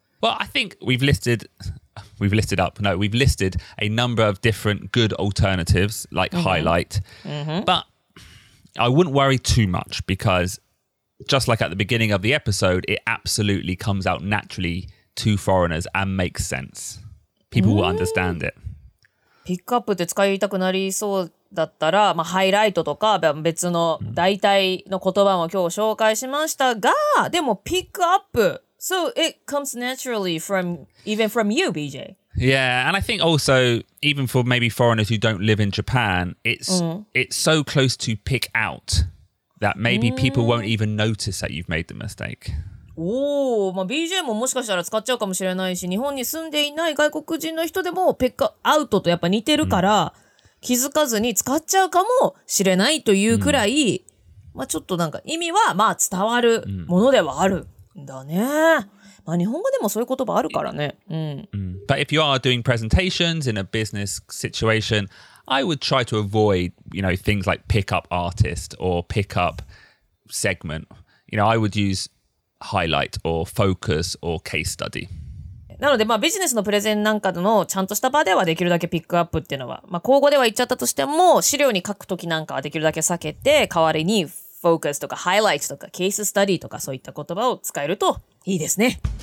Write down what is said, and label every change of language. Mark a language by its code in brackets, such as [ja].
[en] Well, I think we've listed a number of different good alternatives, like highlight. But I wouldn't worry too much because just like at the beginning of the episode, it absolutely comes out naturally to foreigners and makes sense. People will understand it. [ja] Pick up って使いたくなりそうだったら、まあ、ハイライトとか別の代替の言葉も今日紹介しましたが、でもピックアップ。 [en] So it comes naturally from you, BJ. Yeah, and I think also, even for maybe foreigners who don't live in Japan, it's so close to pick out that maybe people won't even notice that you've made the mistake. [ja] おお、まあ、BJ ももしかしたら使っちゃうかもしれないし、日本に住んでいない外国人の人でもピックアウトとやっぱ似てるから、気づかずに使っちゃうかもしれないというくらい、まあ、ちょっとなんか意味はまあ伝わるものではあるんだね。まあ、日本語でもそういう言葉あるからね。 [en] But if you are doing presentations in a business situation, I would try to avoid, you know, things like pick up artist or pick up segment. You know, I would useHighlight or focus or case study. [ja] なので、まあ、ビジネスのプレゼンなんかのちゃんとした場ではできるだけピックアップっていうのは、まあ、口語では言っちゃったとしても、資料に書くときなんかはできるだけ避けて、代わりに focus とか highlight とか case study とかそういった言葉を使えるといいですね。